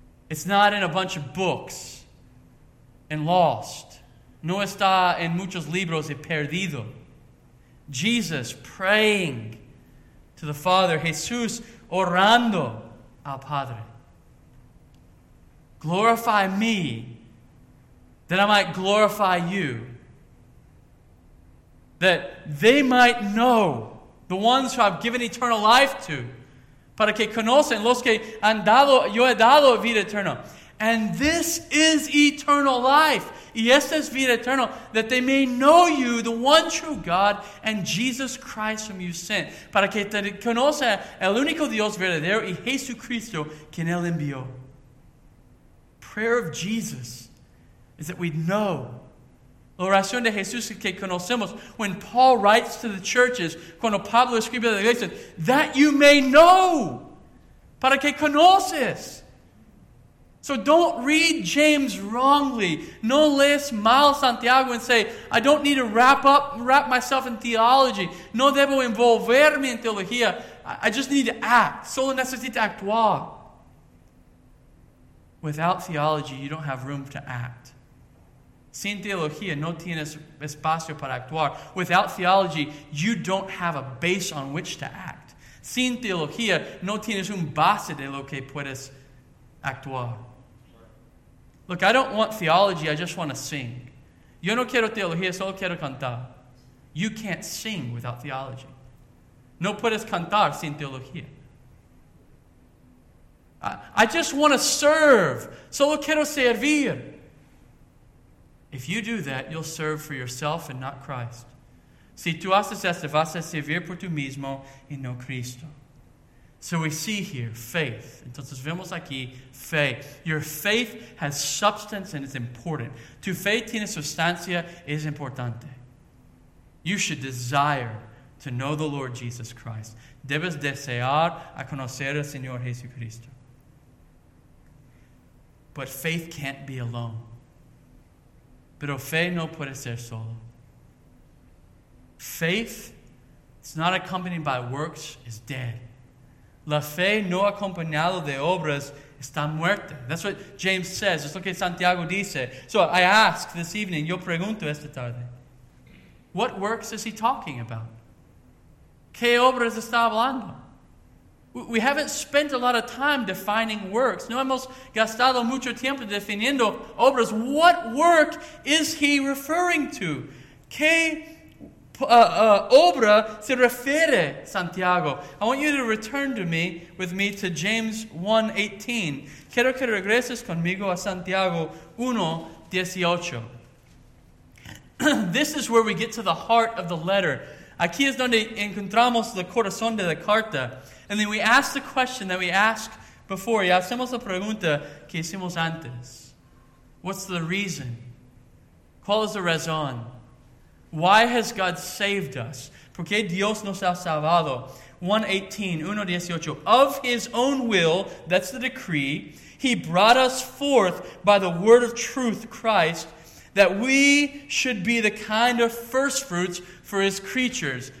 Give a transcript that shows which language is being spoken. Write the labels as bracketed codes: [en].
[en] It's not in a bunch of books and lost. [es] No está en muchos libros y perdido. [en] Jesus praying to the Father. [es] Jesús orando al Padre. [en] Glorify me that I might glorify you. That they might know the ones who I've given eternal life to. [es] Para que conocen los que han dado, yo he dado vida eterna. [en] And this is eternal life. [es] Y esta es vida eterna. [en] That they may know you, the one true God, and Jesus Christ whom you sent. [es] Para que te conozca el único Dios verdadero y Jesucristo quien él envió. [en] Prayer of Jesus is that we'd know. [es] La oración de Jesús que conocemos. [en] When Paul writes to the churches, [es] cuando Pablo escribe a la iglesia, [en] that you may know. [es] Para que conoces. [en] So don't read James wrongly. [es] No lees mal Santiago [en] and say, I don't need to wrap myself in theology. [es] No debo envolverme en teología. [en] I just need to act. [es] Solo necesito actuar. [en] Without theology, you don't have room to act. [es] Sin teología, no tienes espacio para actuar. [en] Without theology, you don't have a base on which to act. [es] Sin teología, no tienes un base de lo que puedes actuar. [en] Look, I don't want theology, I just want to sing. [es] Yo no quiero teología, solo quiero cantar. [en] You can't sing without theology. [es] No puedes cantar sin teología. [en] I just want to serve, [es] solo quiero servir. [en] If you do that, you'll serve for yourself and not Christ. [es] Si tú haces esto, vas a servir por tú mismo y no Cristo. [en] So we see here faith. [es] Entonces vemos aquí fe. [en] Your faith has substance and it's important. [es] Tu fe tiene sustancia, es importante. [en] You should desire to know the Lord Jesus Christ. [es] Debes desear a conocer al Señor Jesucristo. [en] But faith can't be alone. [es] Pero fe no puede ser solo. [en] Faith, it's not accompanied by works, is dead. [es] La fe no acompañado de obras está muerta. [en] That's what James says. That's what [es] Santiago dice. [en] So I ask this evening, [es] yo pregunto esta tarde, [en] what works is he talking about? [es] ¿Qué obras está hablando? [en] We haven't spent a lot of time defining works. [es] No hemos gastado mucho tiempo definiendo obras. [en] What work is he referring to? [es] ¿Qué obra se refiere Santiago? [en] I want you to return with me to James 1:18. [es] Quiero que regreses conmigo a Santiago 1:18. [en] This is where we get to the heart of the letter. [es] Aquí es donde encontramos el corazón de la carta. [en] And then we ask the question that we asked before. [es] Y hacemos la pregunta que hicimos antes. [en] What's the reason? [es] ¿Cuál es la razón? [en] Why has God saved us? [es] ¿Por qué Dios nos ha salvado? [en] 1:18. Of his own will, that's the decree, he brought us forth by the word of truth, Christ, that we should be the kind of first fruits for his creatures.